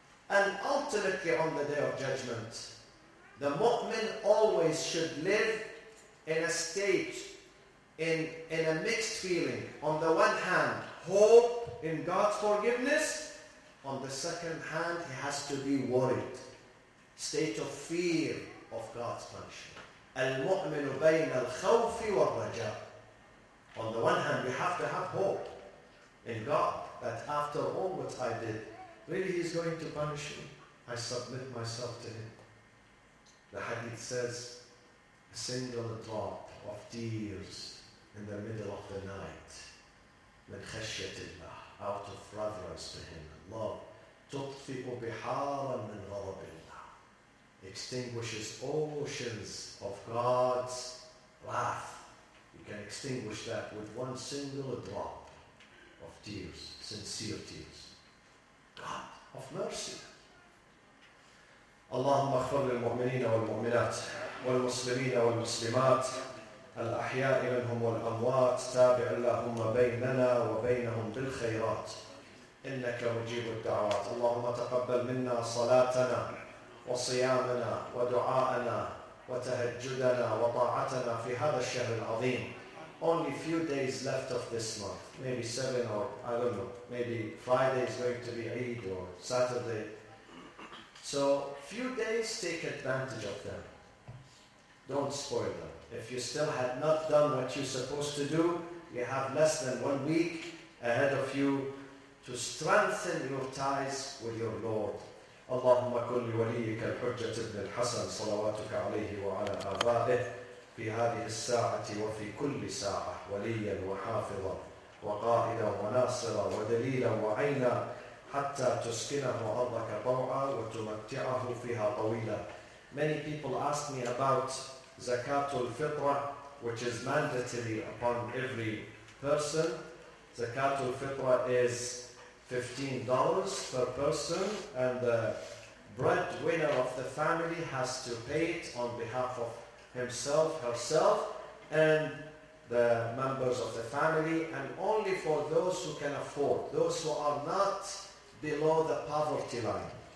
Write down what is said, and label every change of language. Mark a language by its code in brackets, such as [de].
[en] And ultimately on the day of judgment, the mu'min always should live in a state in a mixed feeling. On the one hand, hope in God's forgiveness. On the second hand, he has to be worried. State of fear of God's punishment. [ar] المؤمن بين الخوف والرجاء. [en] On the one hand, we have to have hope in God that after all what I did, really he's going to punish me. I submit myself to him. The hadith says, a single drop of tears in the middle of the night, [ar] من خشية الله, [en] out of reverence to him, love, [ar] تطفئ بحارا من غضب الله, [en] extinguishes oceans of God's wrath. You can extinguish that with one single drop of tears, sincere tears. God of mercy. [ar] اللهم اغفر للمؤمنين والمؤمنات والمسلمين والمسلمات الأحياء منهم والأموات تابع اللهم بيننا وبينهم بالخيرات إنك مجيب الدعوات اللهم تقبل منا صلاتنا وصيامنا ودعاءنا وتهجدنا وطاعتنا في هذا الشهر العظيم. [en] Only few days left of this month, maybe 7 or I don't know, maybe Friday is going to be Eid or Saturday. So few days, take advantage of them. Don't spoil them. If you still had not done what you're supposed to do, you have less than 1 week ahead of you to strengthen your ties with your Lord. [ar] اللهم كن لوليك الحجة ابن الحسن صلواتك عليه وعلى آبائه في هذه الساعة وفي كل ساعة وليا وحافظا وقائدا وناصرا ودليلا وعينا حتى تسكنه أرضك طوعا وتمتعه فيها طويلا. [en] Many people ask me about Zakatul Fitra, which is mandatory upon every person. Zakatul Fitra is $15 per person, and the breadwinner of the family has to pay it on behalf of himself, herself, and the members of the family, and only for those who can afford, those who are not below the poverty line.